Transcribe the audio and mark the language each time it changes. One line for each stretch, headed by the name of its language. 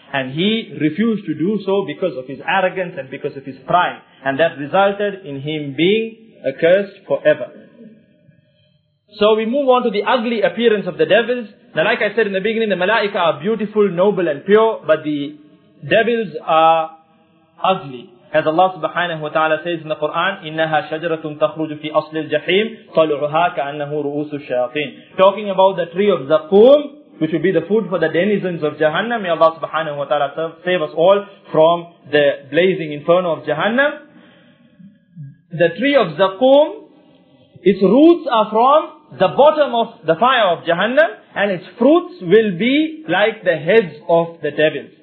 English: And he refused to do so because of his arrogance and because of his pride. And that resulted in him being accursed forever. So we move on to the ugly appearance of the devils. Now like I said in the beginning, the malaika are beautiful, noble and pure, but the devils are ugly. As Allah subhanahu wa ta'ala says in the Quran,
Arabic: إِنَّهَا شَجَرَةٌ تَخْرُجُ فِي أَصْلِ الْجَحِيمِ طَلُعُهَا كَأَنَّهُ رُؤُوسُ الشَّيَاطِينِ.
English: Talking about the tree of Zakum, which will be the food for the denizens of Jahannam. May Allah subhanahu wa ta'ala save us all from the blazing inferno of Jahannam. the tree of Zakum, its roots are from the bottom of the fire of Jahannam, and its fruits will be like the heads of the devils.